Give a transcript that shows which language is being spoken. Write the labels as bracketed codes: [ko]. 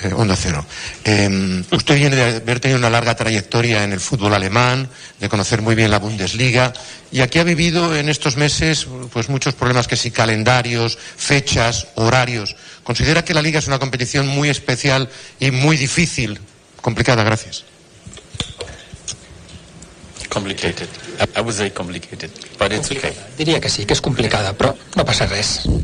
[es] Usted viene de haber tenido una larga trayectoria en el fútbol alemán, de conocer muy bien la Bundesliga, y aquí ha vivido en estos meses pues muchos problemas, que si calendarios, fechas, horarios. ¿Considera que la Liga es una competición muy especial y muy difícil? Complicada, gracias. [en] Complicated. I would say complicated, but it's okay. [ca] Diria que sí, que és complicada, però no passa res.